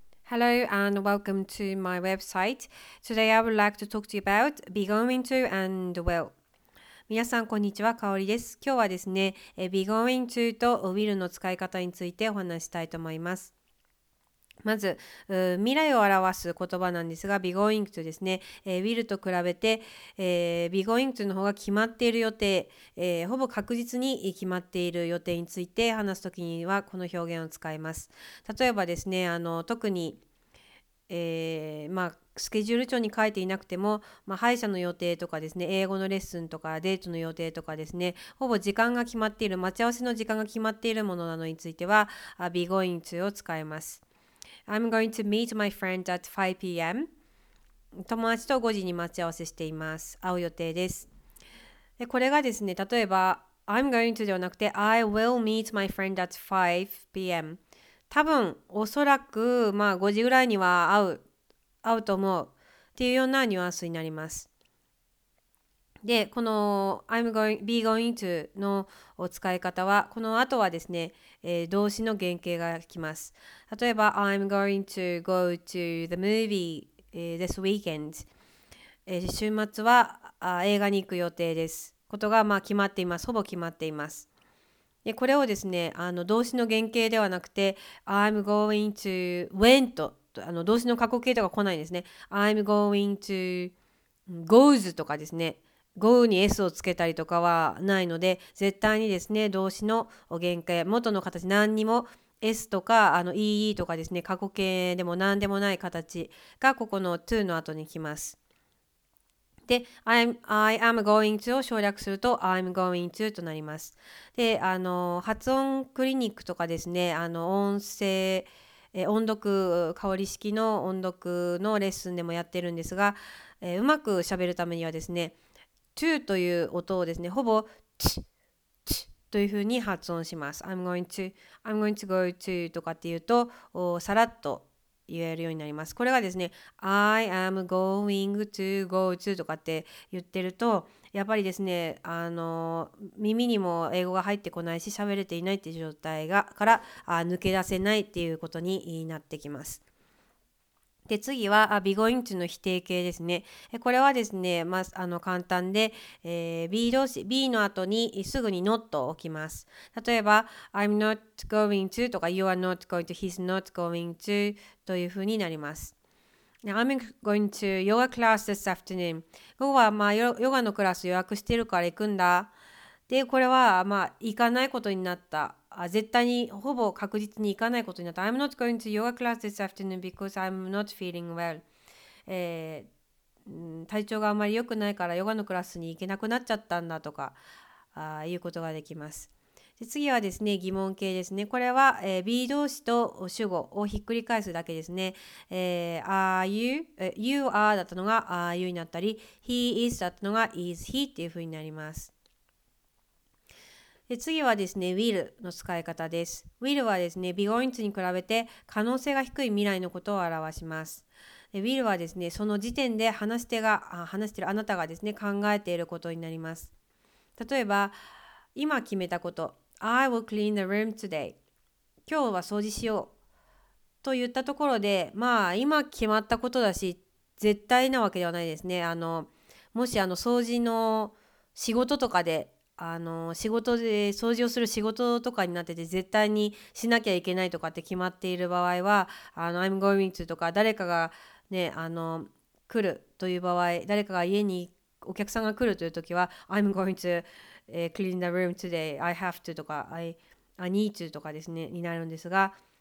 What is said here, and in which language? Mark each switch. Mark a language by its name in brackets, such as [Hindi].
[English] Hello and welcome to my website. Today I would like to talk to you about be going to and will. [Japanese] 皆さんこんにちは、かおりです。今日はですね、be going to と will の使い方についてお話したいと思います。まず、未来を表す言葉なんですが、be going to ですね、will と比べて、be going to の方が決まっている予定、ほぼ確実に決まっている予定について話すときにはこの表現を使います。例えばですね、特に、スケジュール帳に書いていなくても、歯医者の予定とかですね、英語のレッスンとかデートの予定とかですね、ほぼ時間が決まっている、待ち合わせの時間が決まっているものなどについては、be going to を使います。 [English] I'm going to meet my friend at 5 p.m. [Japanese] 友達と5時に待ち合わせしています。会う予定です。で、これがですね、例えば [English] I'm going to [Japanese] ではなくて [English] I will meet my friend at 5 p.m. [Japanese] 多分おそらく5時ぐらいには会うと思うっていうようなニュアンスになります。で、この be going to のお使い方は、この後はですね、動詞の原型が来ます。 [English] 例えば、I'm going to go to the movie this weekend. [Japanese] 週末は映画に行く予定です。ことが決まっています。ほぼ決まっています。で、これをですね、動詞の原型ではなくて、 [English] I'm going to when [Japanese] と、動詞の過去形とか来ないんですね。 [English] I'm going to goes [Japanese] とかですね。 go に s をつけたりとかはないので、絶対にですね、動詞の原型、元の形、何にも s とか ee とかですね、過去形でも何でもない形がここの to の後に来ます。で、 [English] I am going to [Japanese] を省略すると [English] I'm going to [Japanese] となります。で、発音クリニックとかですね、音声、音読、香り式の音読のレッスンでもやってるんですが、うまく喋るためにはですね、to という音をですね、ほぼ ch ch というふうに発音します。 [English] I'm going to go to [Japanese] とかっていうと、さらっと言えるようになります。これがですね、 [English] I am going to go to [Japanese] とかって言ってると、やっぱりですね、耳にも英語が入ってこないし、喋れていないっていう状態から抜け出せないっていうことになってきます。で、次は be going to の否定形ですね。これはですね、簡単で、be 動詞、be の後にすぐに not を置きます。例えば、 [English] I'm not going to とか、you are not going to, he's not going to [Japanese] というふうになります。 [English] I'm going to yoga class this afternoon. [Japanese] 午後はヨガのクラス予約してるから行くんだ。で、これは行かないことになった。絶対にほぼ確実に行かないことになった。 [English] I'm not going to yoga class this afternoon because I'm not feeling well. [Japanese] 体調があまり良くないからヨガのクラスに行けなくなっちゃったんだとかいうことができます。で、次はですね、疑問形ですね。これは、be 動詞と主語をひっくり返すだけですね。 You are だったのが are you になったり、he is だったのが is he っていうふうになります。で、次はですね、will の使い方です。will はですね、be going to に比べて可能性が低い未来のことを表します。 will はですね、その時点で話しているあなたがですね、考えていることになります。例えば、今決めたこと、 [English] I will clean the room today. [Japanese] 今日は掃除しようと言ったところで、今決まったことだし、絶対なわけではないですね。もし掃除の仕事とかで、仕事で掃除をする仕事とかになってて絶対にしなきゃいけないとかって決まっている場合は [English] I'm going to とか誰かがね来るという場合誰かが家にお客さんが来るという時は I'm going to clean the room today I have to [Japanese] とか [English] I need to [Japanese] とかですねになるんですが